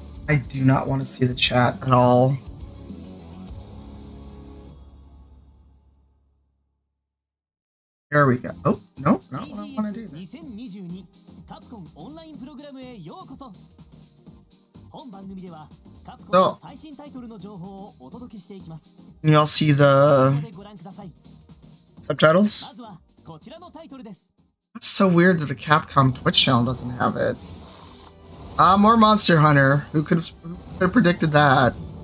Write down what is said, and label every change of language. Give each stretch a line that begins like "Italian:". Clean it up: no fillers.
English: I do not want to see the chat at all. There we go. Oh, no, not what I want to do.
Japanese: 2022 Capcom Online Program へようこそ。本番組では Capcom の最新タイトルの情報をお届けしていきます。
English: You'll see the subtitles?
Japanese: まずはこちらのタイトルです。
English: That's so weird that the Capcom Twitch channel doesn't have it. More Monster Hunter. Who could have predicted that?